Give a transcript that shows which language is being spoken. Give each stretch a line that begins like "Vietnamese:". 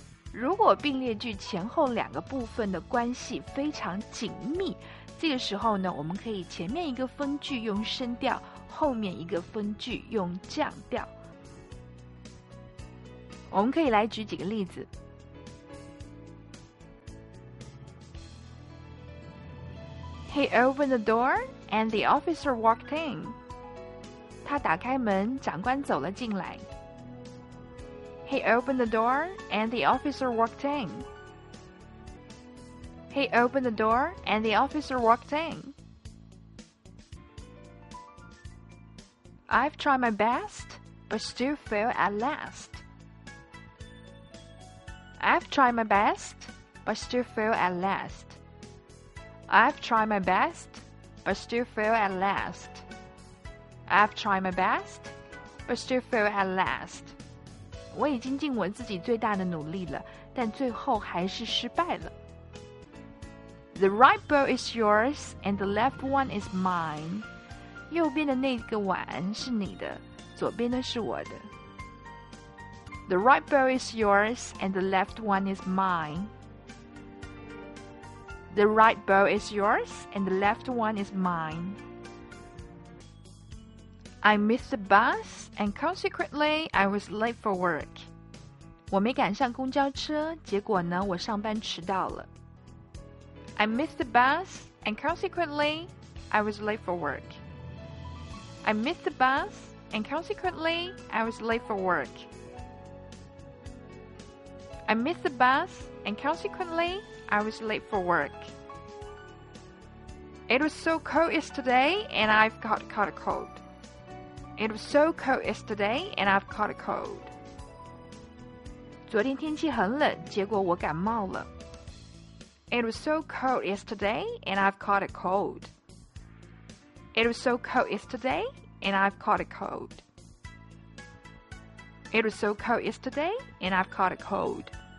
Chinese: 如果并列句前后两个部分的关系非常紧密，这个时候呢，我们可以前面一个分句用升调，后面一个分句用降调。我们可以来举几个例子。
English: He opened the door and the officer walked in.
Chinese: 他打开门，长官走了进来。
English: He opened the door and the officer walked in. He opened the door and the officer walked in. I've tried my best, but still failed at last. I've tried my best, but still failed at last. I've tried my best, but still fail at last. I've tried my best, but still fail at last.
Chinese: 我已经尽我自己最大的努力了，但最后还是失败了。
English: The right bowl is yours, and the left one is mine.
Chinese: 右边的那个碗是你的，左边的是我的。
English: The right bowl is yours, and the left one is mine. The right bow is yours, and the left one is mine. I missed the bus, and consequently, I was late for work.
Chinese: 我没赶上公交车，结果呢，我上班迟到了。
English: I missed the bus, And consequently, I was late for work. I missed the bus, and consequently, I was late for work. I missed the bus, and consequently, I was late for work. It was so cold yesterday, and I've caught a cold. It was so cold yesterday, and I've caught a cold.
Chinese: 昨天天气很冷，结果我感冒了。
English: It was so cold yesterday, and I've caught a cold. It was so cold yesterday, and I've caught a cold. It was so cold yesterday, and I've caught a cold.